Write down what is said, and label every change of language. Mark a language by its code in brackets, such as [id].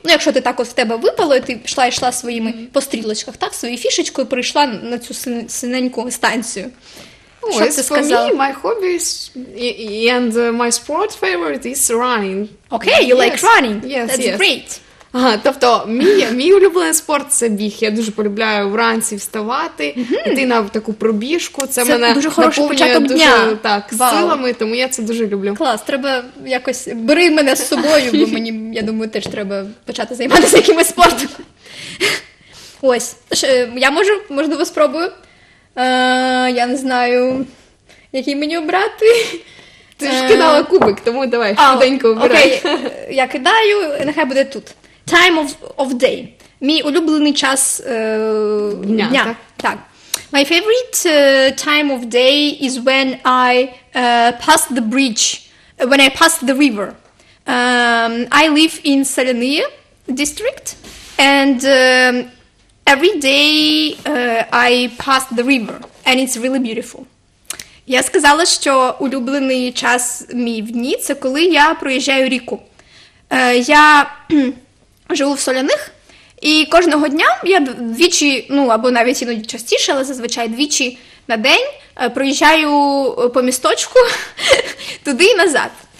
[uk] Ну, якщо ти так ось в тебе випало, і ти йшла своїми по стрілочках, так, своєю фішечкою, прийшла на цю синеньку станцію. Що ти сказала? [en] For me, my hobbies and my sport favorite is running. Okay, you like running. Yes, that's great. [uk] Ага, тобто, мій улюблений спорт – це біг. Я дуже полюбляю вранці вставати, іти на таку пробіжку. Це мене дуже хороший початок дня. Так, wow. Силами, тому я це дуже люблю. Клас, треба якось, бери мене з собою, бо мені, я думаю, теж треба почати займатися якимось спортом. Ось, я можу, можливо, спробую. Я не знаю, який мені обрати. Ти ж кидала кубик, тому давай швиденько обирай. Окей, я кидаю, нехай буде тут. [en] Time of day. [uk] Мій улюблений час дня. Так. [en] My favorite time of day is when I pass the bridge, when I pass the river. I live in Salenie district, and every day I pass the river, and it's really beautiful. [uk] Я сказала, що улюблений час мій в дні – це коли я проїжджаю ріку. Я живу в Соляних, і кожного дня я двічі, ну, або навіть іноді частіше, але зазвичай двічі на день проїжджаю по місточку туди і назад.